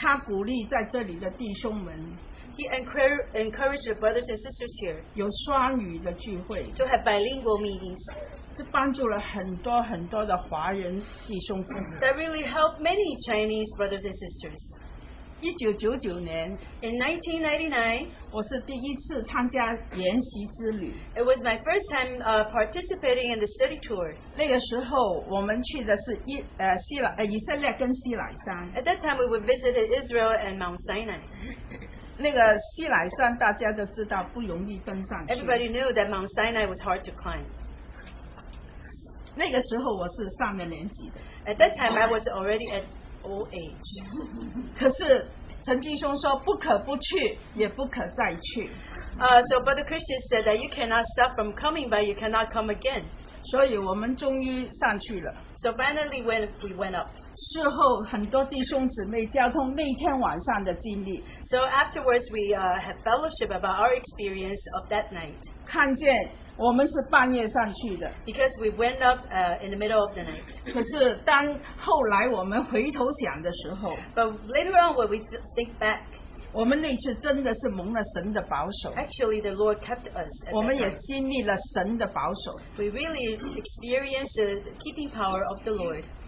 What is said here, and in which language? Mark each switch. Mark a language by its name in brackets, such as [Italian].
[Chinese] 他鼓励在这里的弟兄们， [English] He encouraged the brothers and sisters here [Chinese] 有双语的聚会， [English] to have bilingual meetings. [Chinese] 这帮助了很多很多的华人弟兄姊妹。 [English] That really helped many Chinese brothers and sisters. [Chinese] 1999年, [English] in 1999, [Chinese] 我是第一次参加研习之旅, [English] it was my first time participating in the study tour. [Chinese] 那个时候我们去的是以色列跟西乃山, [English] at that time, we would visit Israel and Mount Sinai. [Chinese] 那个西乃山大家都知道不容易登上去, [English] everybody knew that Mount Sinai was hard to climb. [Chinese] 那个时候我是上了年纪的, [English] at that time, I was already at old age. [Chinese] 可是 陈弟兄说不可不去也不可再去, [English] so but the Christian said that you cannot stop from coming but you cannot come again. [Chinese] 所以我们终于上去了, [English] so finally when we went up, [Chinese] 事后很多弟兄姊妹交通那天晚上的经历, [English] so afterwards we had fellowship about our experience of that night. [Chinese] 看见我们是半夜上去的, [English] because we went up in the middle of the night. [Chinese] 可是当后来我们回头想的时候, [English] but later on when we think back, [Chinese] 我们那次真的是蒙了神的保守, [English] actually the Lord kept us. [Chinese] 我们也经历了神的保守, [English] we really experienced the keeping power of the Lord.